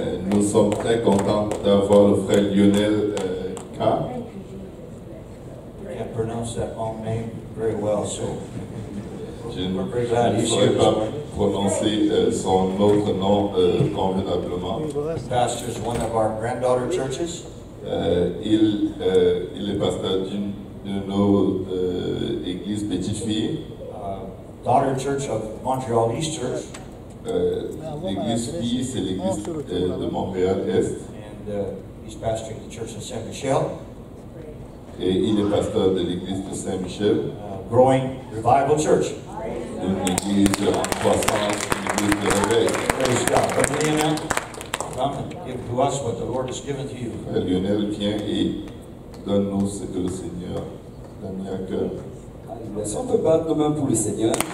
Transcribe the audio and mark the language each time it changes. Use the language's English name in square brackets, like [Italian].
[French] Nous sommes très contents d'avoir le frère Lionel K. [English] I can't pronounce that long name very well, so. [French] Je ne pourrais pas prononcer son autre nom convenablement. [English] Pastors, one of our granddaughter churches. [French] Il est pasteur d'une de nos églises petite-fille. [English] Daughter Church of Montreal East Church. [French] L'église fille, c'est l'église de Montréal Est. [English] And he's pastoring the church of Saint Michel. [French] Et il est pasteur de l'église de Saint Michel. [English] Growing Revival Church. [French] Une église en croissance, une église de réveil. [English] Praise God. Come and give to us what the Lord has given to you. [French] Lionel vient et donne-nous ce que le Seigneur a mis à cœur. Allez, on peut battre nos mains pour le Seigneur.